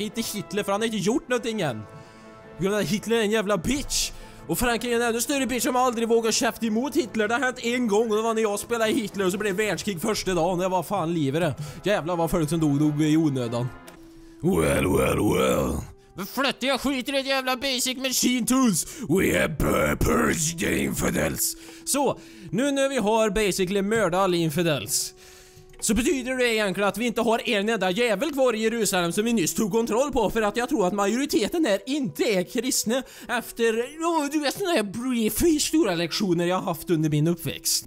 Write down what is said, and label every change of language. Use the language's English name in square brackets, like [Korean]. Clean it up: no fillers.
[Swedish] Inte Hitler, för han har inte gjort någonting än. Hitler är en jävla bitch. Och Frankrike är en ännu större bitch som aldrig vågar käft emot Hitler. Det har hänt en gång och då var när jag spelade Hitler och så blev världskrig första dagen. Det var fan livet det. Jävlar vad folk som dog i onödan. [English] Well, well, well. [Swedish] Men flötte jag skit i det jävla basic machine tools. [English] We have purged the infidels. [Swedish] Så, nu när vi har basically mördat alla infidels, så betyder det egentligen att vi inte har en enda jävel kvar i Jerusalem som vi nyss tog kontroll på. För att jag tror att majoriteten här inte är kristna efter, oh, du vet, sådana här brief stora lektioner jag haft under min uppväxt.